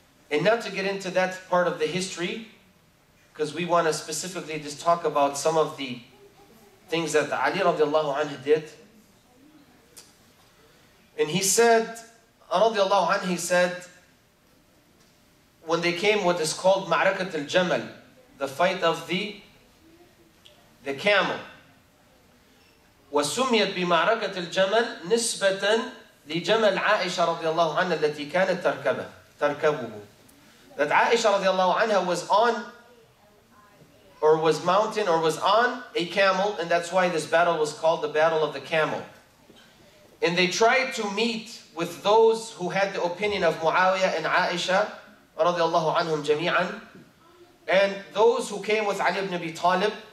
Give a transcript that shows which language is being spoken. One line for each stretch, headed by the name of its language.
English: And not to get into that part of the history, because we want to specifically just talk about some of the things that Ali radiallahu anhu did. And he said, radiallahu anhu, he said, when they came what is called Ma'rakat al-Jamal, the fight of the camel.
Arabic: وسميت بمعركة الجمل نسبة لجمل عائشة رضي الله عنها التي كانت تركبه تركبه.
English: That Aisha رضي الله عنها was on or was mounted or was on a camel, and that's why this battle was called the Battle of the Camel. And they tried to meet with those who had the opinion of Muawiyah and Aisha رضي الله عنهم جميعا, and those who came with Ali ibn Abi Talib.